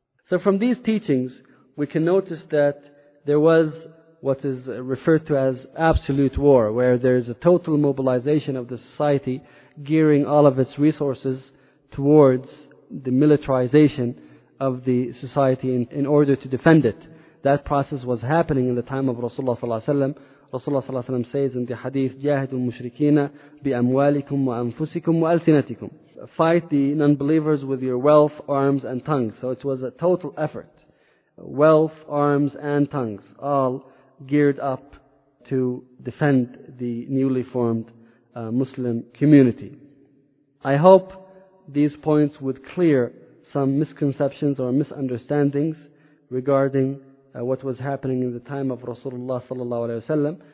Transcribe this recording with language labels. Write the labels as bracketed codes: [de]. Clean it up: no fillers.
[en] So from these teachings, we can notice that there was what is referred to as absolute war, where there is a total mobilization of the society, gearing all of its resources towards the militarization of the society in order to defend it. That process was happening in the time of Rasulullah [ar] صلى الله عليه وسلم. Rasulullah صلى الله عليه وسلم [en] says in the hadith, [ar] جاهدوا المشركين بأموالكم وأنفسكم وألسنتكم. [en] Fight the non-believers with your wealth, arms and tongues. So it was a total effort. Wealth, arms and tongues, all geared up to defend the newly formed Muslim community. I hope these points would clear some misconceptions or misunderstandings regarding what was happening in the time of Rasulullah sallallahu alaihi wasallam.